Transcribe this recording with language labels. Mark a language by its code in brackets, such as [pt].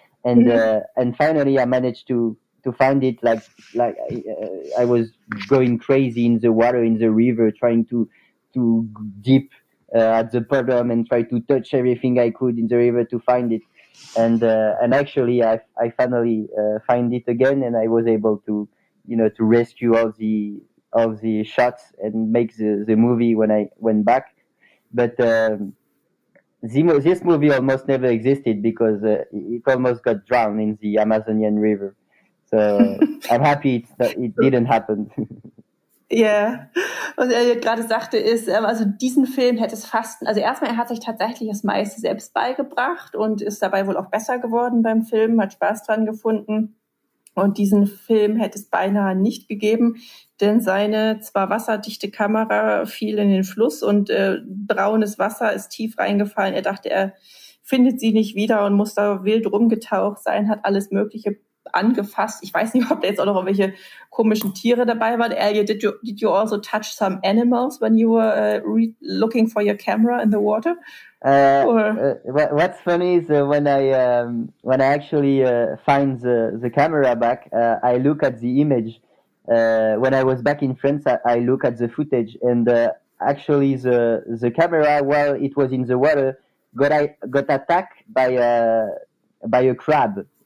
[en] And finally I managed to find it. I was going crazy in the water, in the river, trying to dip at the bottom and try to touch everything I could in the river to find it, and actually I finally find it again, and I was able to, you know, to rescue all the shots and make the movie when I went back. But this movie almost never existed, because it almost got drowned in the Amazonian river, so I'm happy that it didn't happen. [de] Ja, was er gerade sagte, ist, also diesen Film hätte es fast, also erstmal, er hat sich tatsächlich das meiste selbst beigebracht und ist dabei wohl auch besser geworden beim Film, hat Spaß dran gefunden. Und diesen Film hätte es beinahe nicht gegeben, denn seine zwar wasserdichte Kamera fiel in den Fluss und braunes Wasser ist tief reingefallen. Er dachte, er findet sie nicht wieder und muss da wild rumgetaucht sein, hat alles Mögliche angefasst. Ich weiß nicht, ob da jetzt auch noch irgendwelche komischen Tiere dabei waren. [en] Elliot, did you also touch some animals when you were looking for your camera in the water? What's funny is when I actually find the camera back, I look at the image. When I was back in France, I look at the footage, and actually the camera, while it was in the water, got attacked by a crab.